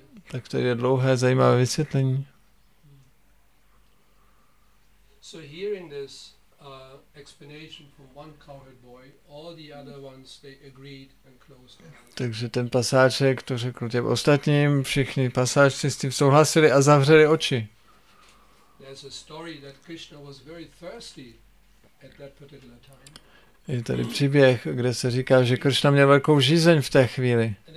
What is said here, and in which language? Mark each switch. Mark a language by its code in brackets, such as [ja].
[cs] Tak to je dlouhé zajímavé vysvětlení. [en] So hearing this explanation from one cowherd boy, all the other ones they agreed and closed their eyes. [cs] Takže ten pasáček to řekl těm ostatním, všichni pasáčci s tím souhlasili a zavřeli oči. [en] There's a story that Krishna was very thirsty at that particular time. [cs] Je tady příběh, kde se říká, že Kršna měl velkou žízeň v té chvíli.